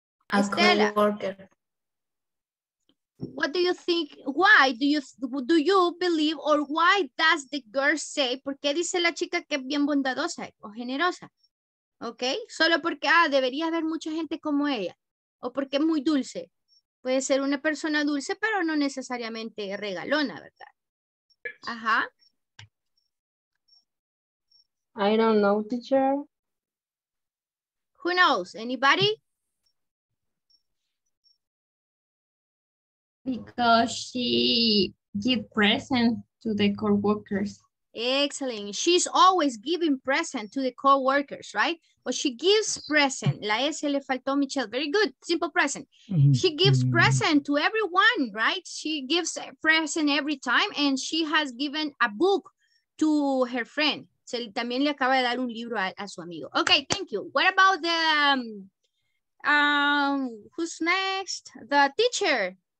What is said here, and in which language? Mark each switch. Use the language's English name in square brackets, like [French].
[English] A co-worker. What do you think? Why do you believe, or why does the girl say? [Spanish] ¿Por qué dice la chica que es bien bondadosa o generosa? Okay, solo porque debería haber mucha gente como ella, o porque es muy dulce. Puede ser una persona dulce, pero no necesariamente regalona, ¿verdad? Ajá. [English] I don't know, teacher. Who knows? Anybody? Because she gives presents to the co-workers. Excellent. She's always giving presents to the co-workers, right? But she gives presents. [Spanish] La S le faltó, Michelle. [English] Very good. Simple present. Mm-hmm. She gives presents to everyone, right? She gives a present every time. And she has given a book to her friend. [Spanish] Se también le acaba de dar un libro a su amigo. [English] Okay, thank you. What about the... who's next? The teacher.